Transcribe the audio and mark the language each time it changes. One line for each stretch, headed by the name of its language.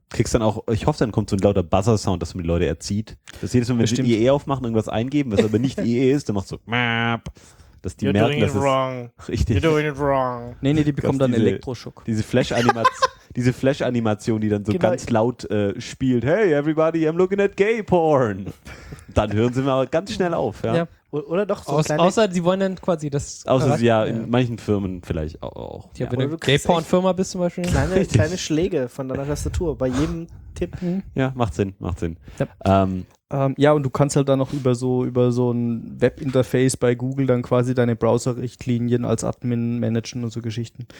German: Kriegst dann auch, ich hoffe, dann kommt so ein lauter Buzzer-Sound, dass man die Leute erzieht. Dass jedes Mal, wenn sie IE aufmachen, irgendwas eingeben, was aber nicht IE ist, dann machst du so, map. Dass die merken, dass es wrong. Richtig.
English: You're doing it wrong.
German: Nee, nee, die bekommen dann Elektroschock. Diese Flash-Animation, die dann so ganz laut spielt.
English: Hey, everybody, I'm looking at gay porn.
German: Dann hören sie mal ganz schnell auf. Ja. Oder doch so. Außer sie wollen dann quasi das. In manchen Firmen vielleicht auch. Ja, wenn du gay porn-Firma bist zum Beispiel. Kleine Schläge von deiner Tastatur bei jedem Tippen. Ja, macht Sinn. Ja, und du kannst halt dann noch über so ein Webinterface bei Google dann quasi deine Browser-Richtlinien als Admin managen und so Geschichten.